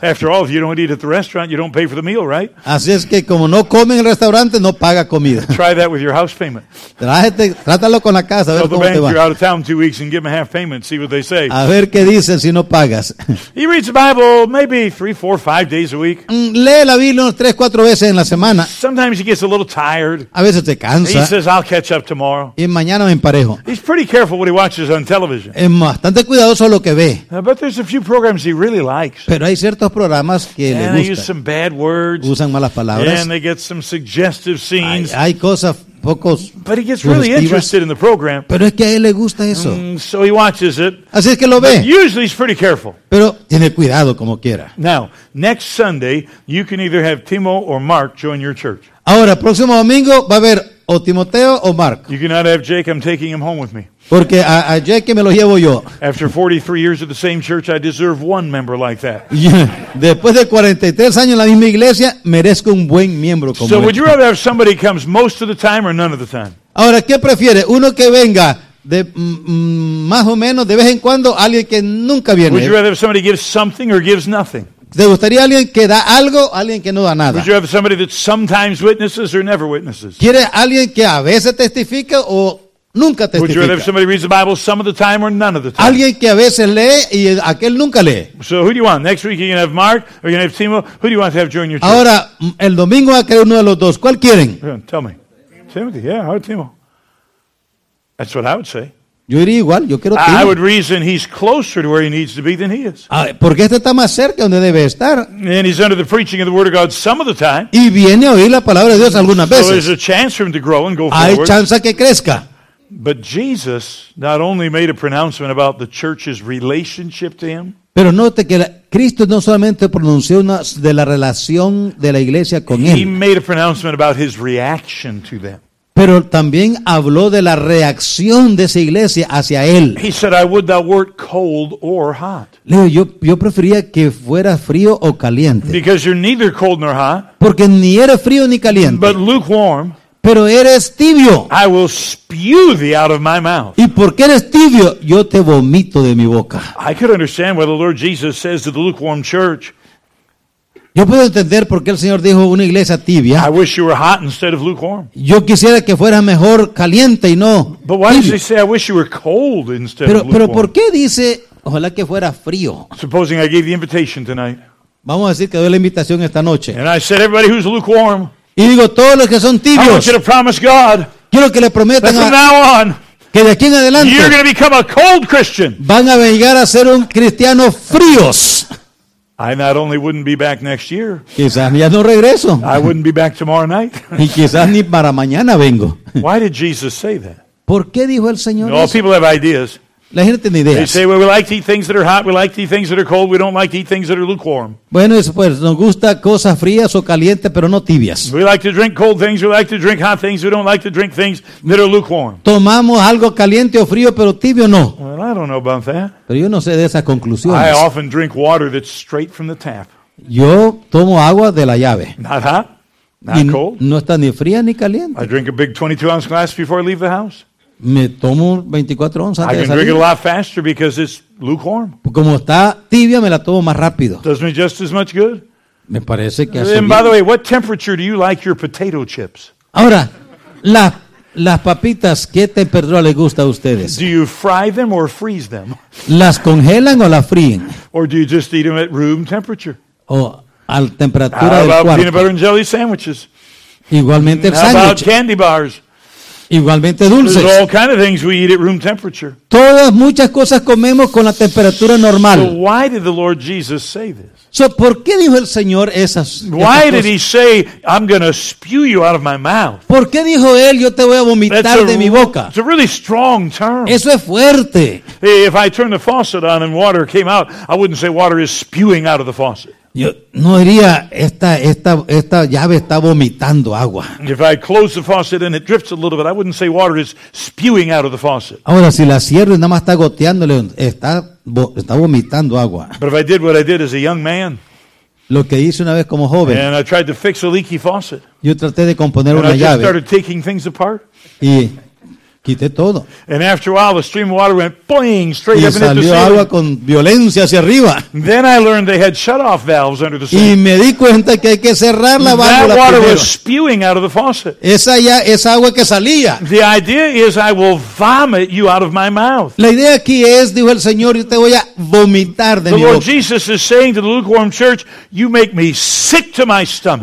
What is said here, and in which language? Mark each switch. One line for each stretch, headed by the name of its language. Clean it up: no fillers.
English: After all, if you don't eat at the restaurant, you don't pay for the meal, right?
Spanish: Así es que como no come en el restaurante, no paga comida.
English: Try that with your house payment.
Spanish: Trátalo con la casa, a ver cómo te va.
English: Tell the bank you're out of town 2 weeks and give them a half payment, see what they say.
Spanish: A ver qué dicen si no pagas.
English: He reads the Bible maybe 3, 4, 5 days a week.
Spanish: Lee la Biblia 3, 4 veces en la semana.
English: Sometimes he gets a little tired.
Spanish: A veces te cansa.
English: He says, "I'll catch up tomorrow."
Spanish: Y mañana me emparejo.
English: He's pretty careful what he watches on television.
Spanish: Es bastante cuidadoso lo que ve.
English: But there's a few programs he really likes.
Spanish: Pero hay ciertos programas que
English: and
Spanish: le gustan.
English: And they use some bad words.
Spanish: Usan malas palabras.
English: And they get some suggestive scenes.
Spanish: Hay cosas.
English: But he gets really interested in the program.
Spanish: Pero es que a él le gusta eso.
English: So he watches it.
Spanish: Así es que lo ve.
English: But usually he's pretty careful.
Spanish: Pero tiene cuidado como quiera.
English: Now, next Sunday, you can either have Timo or Mark join your church.
Spanish: Ahora, próximo domingo va a haber o Timoteo o Mark.
English: You cannot have Jake. I'm taking him home with me.
Spanish: Porque a Jake me lo llevo yo.
English: After 43 years of the same church, I deserve one member like that.
Spanish: Después de 43 años en la misma iglesia, merezco un buen miembro como él.
English: So would you rather have somebody comes most of the time or none of the time?
Spanish: Ahora, ¿qué prefiere? ¿Uno que venga de más o menos de vez en cuando, alguien que nunca viene?
English: Would you rather have somebody give something or gives nothing?
Spanish: ¿Te gustaría alguien que da algo, alguien que no da nada?
English: Would you have somebody that sometimes witnesses or never witnesses?
Spanish: ¿Quiere alguien que a veces testifica o nunca testifica?
English: Would you rather have somebody reads the Bible some of the time or none of the time?
Spanish: Alguien que a veces lee y aquel nunca lee.
English: So who do you want? Next week you're going to have Mark or you're going to have Timo. Who do you want to have join your church?
Spanish: Ahora, el domingo va a querer uno de los dos. ¿Cuál quieren?
English: Tell me. Timothy, yeah, or Timo. That's what I would say.
Spanish: Yo diría igual, yo quiero
English: I would reason he's closer to where he needs to be than he is.
Spanish: Porque este está más cerca donde debe estar.
English: And he's under the preaching of the Word of God some of the time.
Spanish: Y viene a oír la palabra de Dios algunas veces.
English: So there's a chance for him to grow and go forward.
Spanish: Hay chance que crezca.
English: But Jesus not only made a pronouncement about the church's relationship to him.
Spanish: Pero note que Cristo no solamente pronunció una de la relación de la iglesia con él.
English: He made a pronouncement about his reaction to them.
Spanish: Pero también habló de la reacción de esa iglesia hacia él.
English: He said, I would thou wert cold or hot.
Spanish: Leo, yo prefería que fuera frío o caliente.
English: Because you're neither cold nor hot.
Spanish: Porque ni eres frío ni caliente.
English: But lukewarm.
Spanish: Pero eres tibio.
English: I will spew thee out of my mouth.
Spanish: Y porque eres tibio, yo te vomito de mi boca.
English: I could understand why the Lord Jesus says to the lukewarm church.
Spanish: Yo puedo entender por qué el Señor dijo una iglesia tibia.
English: I wish you were hot instead of lukewarm.
Spanish: Yo quisiera que fuera mejor caliente y no
English: But why does he say I wish you were cold instead
Spanish: pero,
English: of lukewarm?
Spanish: Pero ¿por qué dice ojalá que fuera frío?
English: Supposing I gave the invitation tonight.
Spanish: Vamos a decir que doy la invitación esta noche.
English: And I said everybody who's lukewarm.
Spanish: Y digo todos los que son tibios.
English: I want you to promise God.
Spanish: Quiero que le prometan
English: from now on.
Spanish: Que de aquí en adelante.
English: You're going to become a cold Christian.
Spanish: Van a llegar a ser un cristiano fríos.
English: I not only wouldn't be back next year.
Spanish: Quizás ya no regreso.
English: I wouldn't be back tomorrow night.
Spanish: Y quizás ni para mañana vengo.
English: Why did Jesus say that?
Spanish: ¿Por qué dijo el Señor eso?
English: All people have ideas.
Spanish: La gente tiene ideas.
English: They say, well, we like to eat things that are hot. We like to eat things that are cold. We don't like to eat things that are lukewarm.
Spanish: Bueno, pues nos gusta cosas frías o calientes, pero no tibias.
English: We like to drink cold things. We like to drink hot things. We don't like to drink things that are lukewarm.
Spanish: Tomamos algo caliente o frío, pero tibio no.
English: Well, I don't know about that.
Spanish: Pero yo no sé de esas conclusiones.
English: I often drink water that's straight from the tap.
Spanish: Yo tomo agua de la llave.
English: Not hot. Not
Spanish: y
English: cold.
Spanish: No está ni fría ni caliente.
English: I drink a big 22-ounce glass before I leave the house.
Spanish: Me tomo 24 onzas antes de salir.
English: I can drink it a lot faster because it's lukewarm.
Spanish: Como está tibia, me la tomo más rápido.
English: Does me just as much good?
Spanish: Me parece que hace bien.
English: By the way, what temperature do you like your potato chips?
Spanish: Ahora, las papitas, ¿qué temperatura les gusta a ustedes?
English: Do you fry them or freeze them?
Spanish: ¿Las congelan o las fríen?
English: Or do you just eat them at room temperature?
Spanish: O a la temperatura del cuarto.
English: How about peanut butter and jelly sandwiches?
Spanish: Igualmente el
English: sándwich. How about candy bars?
Spanish: Igualmente dulces.
English: There's all kinds of things we eat at room temperature.
Spanish: Todas muchas cosas comemos con la temperatura normal.
English: So why did the Lord Jesus say this?
Spanish: So, ¿por qué dijo el Señor esas cosas?
English: Why did he say, I'm going to spew you out of my mouth?
Spanish: ¿Por qué dijo él, yo te voy a vomitar de mi boca?
English: It's a really strong term.
Spanish: Eso es fuerte.
English: If I turned the faucet on and water came out, I wouldn't say water is spewing out of the faucet.
Spanish: Yo no diría, esta llave está vomitando agua.
English: If I close the faucet and it drifts a little bit, I wouldn't say water is spewing out of the faucet.
Spanish: Ahora, si la cierro y nada más está goteándole, está vomitando agua.
English: But if I did what I did as a young man,
Spanish: lo que hice una vez como joven,
English: and I tried to fix a leaky faucet,
Spanish: yo traté de componer una llave,
English: and I just started taking things apart,
Spanish: y quité todo.
English: And after a while, the stream of water went boing straight
Spanish: y
English: up into the ceiling.
Spanish: Y salió agua con violencia hacia arriba.
English: Then I learned they had shut-off valves under the sink.
Spanish: Y me di cuenta que hay que cerrar la válvula primero.
English: That water was spewing out of the faucet.
Spanish: Esa agua que salía.
English: The idea is I will vomit you out of my mouth.
Spanish: La idea aquí es, dijo el Señor, yo te voy a vomitar de mi boca.
English: The Lord Jesus is saying to the lukewarm church, you make me sick to my stomach.